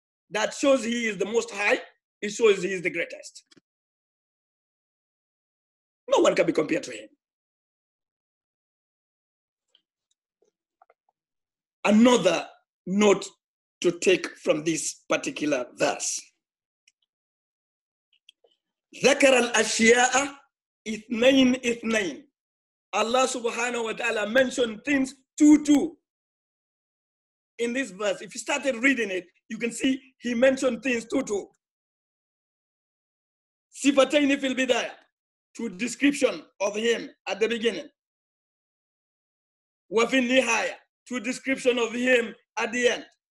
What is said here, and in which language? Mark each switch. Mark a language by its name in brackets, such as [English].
[English] That shows he is the most high. It shows he is the greatest. No one can be compared to him. Another note to take from this particular verse. [Arabic] ذكر الأشياء اثنين اثنين. [English] Allah subhanahu wa ta'ala mentioned things two. In this verse, if you started reading it, you can see he mentioned things two. [Arabic] Sifatayn fil bidaya, [English] to description of him at the beginning. [Arabic] Wa fil nihaya, [English] to description of him at the end.